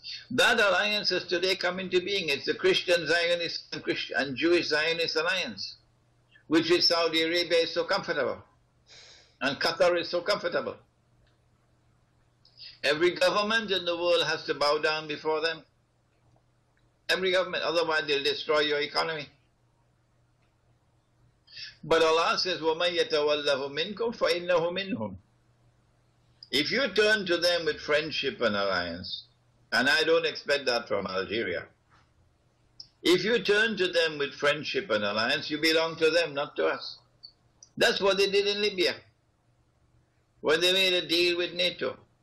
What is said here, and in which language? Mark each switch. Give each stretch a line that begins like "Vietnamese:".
English: That alliance has today come into being. It's the Christian-Zionist and Jewish-Zionist alliance, which is Saudi Arabia is so comfortable, and Qatar is so comfortable. Every government in the world has to bow down before them. Every government, otherwise they'll destroy your economy. But Allah says,
Arabic: وَمَنْ يَتَوَلَّهُ مِنْكُمْ فَإِنَّهُ مِنْهُمْ.
English: If you turn to them with friendship and alliance, and I don't expect that from Algeria, if you turn to them with friendship and alliance, you belong to them, not to us. That's what they did in Libya, when they made a deal with NATO.